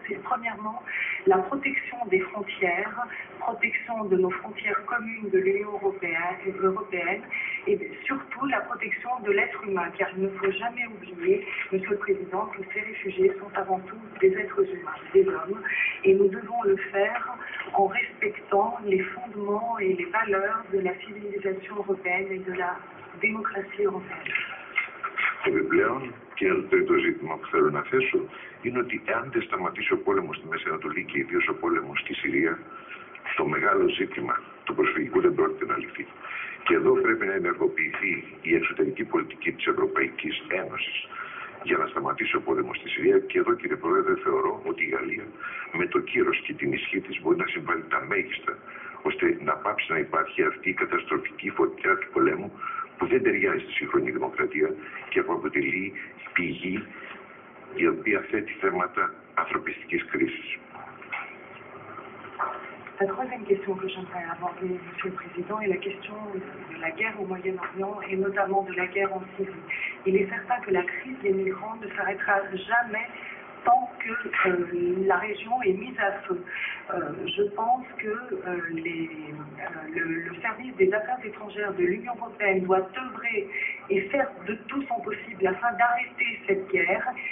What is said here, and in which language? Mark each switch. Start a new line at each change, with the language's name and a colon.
French: Premièrement, la protection des frontières, protection de nos frontières communes de l'Union européenne et surtout la protection de l'être humain, car il ne faut jamais oublier, Monsieur le Président, que ces réfugiés sont avant tout des êtres humains, des hommes, et nous devons le faire en respectant les fondements et les valeurs de la civilisation européenne et de la démocratie européenne.
Greek: Επιπλέον, και το τρίτο ζήτημα που θέλω να θέσω, είναι ότι αν δεν σταματήσει ο πόλεμος στη Μέση Ανατολή και ιδίως ο πόλεμος στη Συρία, το μεγάλο ζήτημα του προσφυγικού δεν πρόκειται να λυθεί. Και εδώ πρέπει να ενεργοποιηθεί η εξωτερική πολιτική της Ευρωπαϊκής Ένωσης για να σταματήσει ο πόλεμος στη Συρία. Και εδώ, κύριε Πρόεδρε, θεωρώ ότι η Γαλλία με το κύρος και την ισχύ της μπορεί να συμβάλλει τα μέγιστα ώστε να πάψει να υπάρχει αυτή η καταστροφική φωτιά του πολέμου που δεν ταιριάζει στη σύγχρονη δημοκρατία και που αποτελεί πηγή η οποία θέτει θέματα ανθρωπιστικής κρίσης.
French: La troisième question que j'aimerais aborder, Monsieur le Président, est la question de la guerre au Moyen-Orient et notamment de la guerre en Syrie. Il est certain que la crise des migrants ne s'arrêtera jamais tant que la région est mise à feu. Je pense que le service des affaires étrangères de l'Union européenne doit œuvrer et faire de tout son possible afin d'arrêter cette guerre.